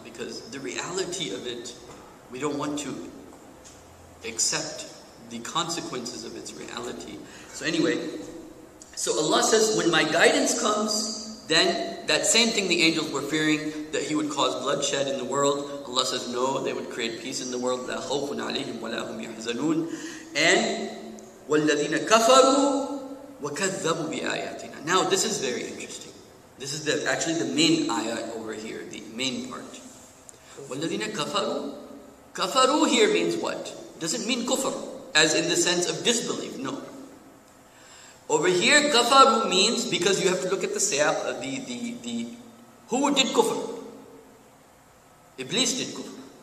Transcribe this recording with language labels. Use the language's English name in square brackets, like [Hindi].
[English] Because the reality of it, we don't want to accept the consequences of its reality. So anyway, so Allah says, when my guidance comes, then that same thing the angels were fearing, that he would cause bloodshed in the world. Allah says, no, they would create peace in the world. [Arabic] لَا خَوْفٌ عَلَيْهِمْ وَلَا هُمْ يَحْزَنُونَ. And وَالَّذِينَ كَفَرُوا وَكَذَّبُوا بِآيَاتِنَا. [English] Now this is very interesting. This is actually the main ayah over here, the main part. [Arabic] وَالَّذِينَ كَفَرُوا. [English] Kafaru here means what? Doesn't mean kufr, as in the sense of disbelief, no. Over here, kafaru means, because you have to look at the siyaq, the who did kufr? Iblis did kufr.